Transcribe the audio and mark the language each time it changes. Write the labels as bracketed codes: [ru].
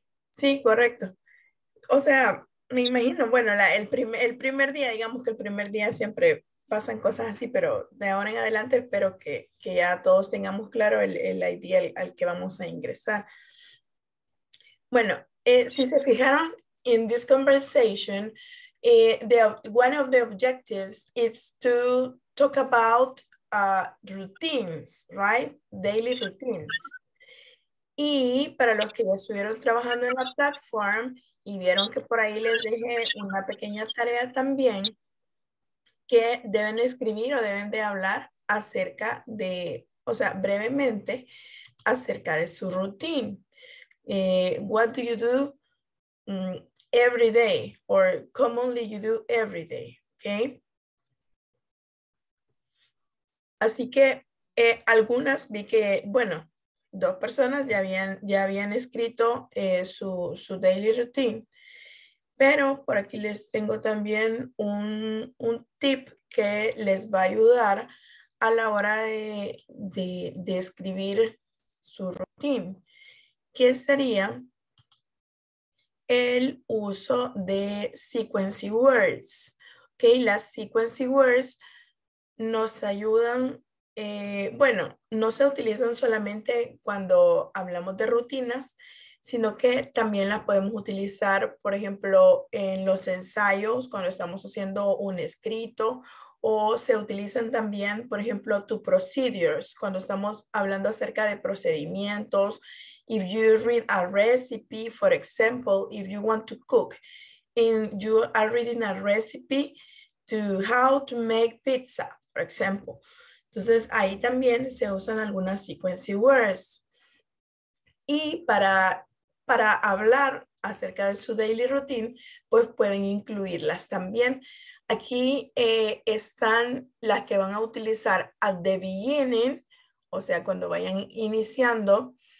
[es] Sí, correcto. O sea, me imagino, bueno, el primer día, digamos que el primer día siempre pasan cosas así, pero de ahora en adelante espero que ya todos tengamos claro el ID al que vamos a ingresar. Bueno. Si se fijaron, [en] in this conversation, one of the objectives is to talk about routines, right? Daily routines. [es] Y para los que ya estuvieron trabajando en la platform y vieron que por ahí les dejé una pequeña tarea también, que deben escribir o deben de hablar acerca de, o sea, brevemente, acerca de su routine. [en] What do you do every day, or commonly you do every day, okay? [es] Así que algunas vi que, bueno, dos personas ya habían escrito su daily routine, pero por aquí les tengo también un tip que les va a ayudar a la hora de escribir su routine. ¿Qué sería el uso de sequence words? Okay, las sequence words nos ayudan, bueno, no se utilizan solamente cuando hablamos de rutinas, sino que también las podemos utilizar, por ejemplo, en los ensayos, cuando estamos haciendo un escrito, o se utilizan también, por ejemplo, [en] to procedures, [es] cuando estamos hablando acerca de procedimientos. [en] If you read a recipe, for example, if you want to cook and you are reading a recipe to how to make pizza, for example. [es] Entonces, ahí también se usan algunas sequence words. Y para hablar acerca de su daily routine, pues pueden incluirlas también. Aquí están las que van a utilizar [en] at the beginning, [es] o sea, cuando vayan iniciando,